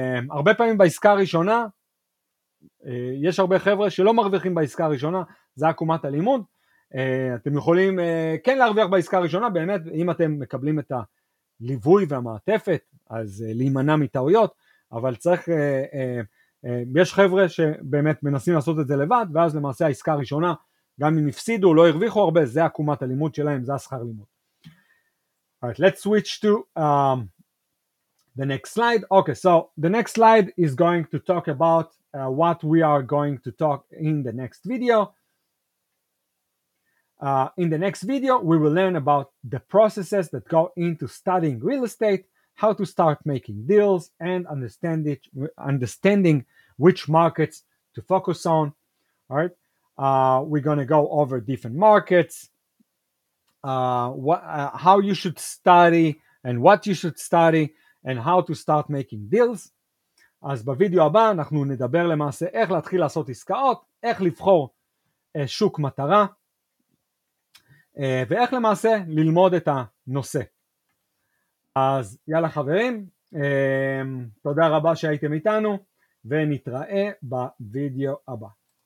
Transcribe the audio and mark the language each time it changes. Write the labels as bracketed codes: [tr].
[he] הרבה פעמים בעסקה הראשונה, יש הרבה חבר'ה שלא מרוויחים בעסקה הראשונה, זה עקומת הלימוד, אתם יכולים כן להרוויח בעסקה הראשונה, באמת אם אתם מקבלים את הליווי והמעטפת, אז להימנע מטעויות, אבל צריך, יש חבר'ה שבאמת מנסים לעשות את זה לבד, ואז למעשה העסקה הראשונה, גם אם הפסידו, לא הרוויחו הרבה, זה עקומת הלימוד שלהם, זה השכר לימוד. [en] Alright, let's switch to the next slide. Okay, so the next slide is going to talk about what we are going to talk in the next video. In the next video, we will learn about the processes that go into studying real estate, how to start making deals, and understanding which markets to focus on. All right, we're going to go over different markets, how you should study and what you should study, and how to start making deals. [he] אז בווידאו הבא אנחנו נדבר למעשה איך להתחיל לעשות עסקאות, איך לבחור שוק מטרה, ואיך למעשה ללמוד את הנושא. אז יאללה חברים, תודה רבה שהייתם איתנו, ונתראה בווידאו הבא.